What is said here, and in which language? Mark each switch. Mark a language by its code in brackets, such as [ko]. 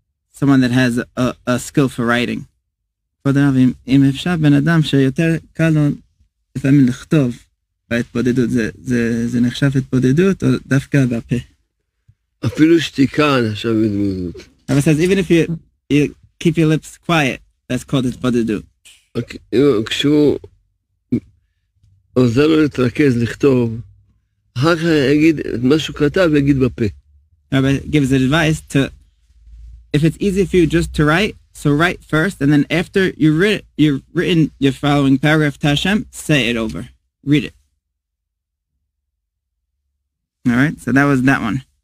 [en] Someone that has a skill for writing. Even if you keep your lips quiet, that's called hitbodedut. [he] כשהוא עוזר לו להתרכז, לכתוב, אחר כך יגיד את מה שהוא כתב, יגיד בפה. [en] Rabbi gives advice to, if it's easy for you just to write, so write first, and then after you've written your following paragraph to Hashem, say it over. Read it. All right, so that was that one.